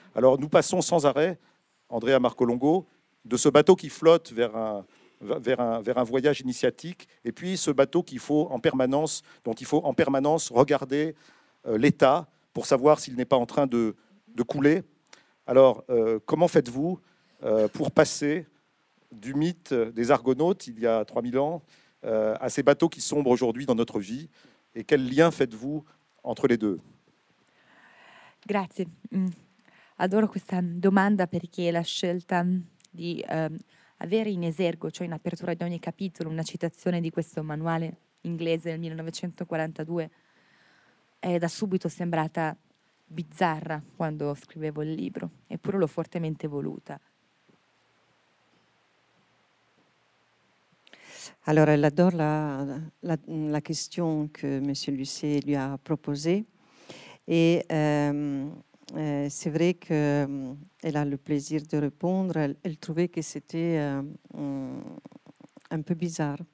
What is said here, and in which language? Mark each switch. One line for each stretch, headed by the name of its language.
French: Alors nous passons sans arrêt, Andrea Marcolongo, de ce bateau qui flotte vers un voyage initiatique et puis ce bateau dont il faut en permanence regarder l'état pour savoir s'il n'est pas en train de couler. Alors, comment faites-vous pour passer du mythe des Argonautes, il y a 3000 ans, à ces bateaux qui sombrent aujourd'hui dans notre vie? Et quel lien faites-vous entre les deux?
Italian: Grazie. Adoro questa domanda perché la scelta di avere in esergo, cioè in apertura di ogni capitolo, una citazione di questo manuale inglese del 1942 è da subito sembrata bizzarra quando scrivevo il libro, eppure l'ho fortemente voluta.
French: Allora, elle adore la question que Monsieur Lucet lui a proposé, et c'est vrai que elle a le plaisir de répondre. Elle trouvait que c'était un peu bizarre.